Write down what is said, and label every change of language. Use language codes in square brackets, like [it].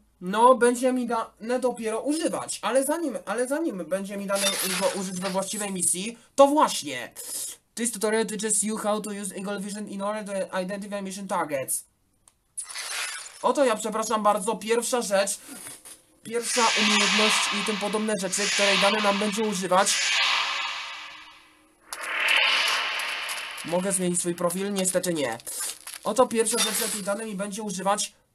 [pl] No, będzie mi dane dopiero używać, ale zanim będzie mi dane użyć we właściwej misji, to właśnie. [en] This tutorial teaches you how to use Eagle Vision in order to identify mission targets. [pl] Oto ja, przepraszam bardzo, pierwsza rzecz, pierwsza umiejętność i tym podobne rzeczy, której dane nam będzie używać. Mogę zmienić swój profil? Niestety nie. Oto pierwsza rzecz, jakiej dane mi będzie używać.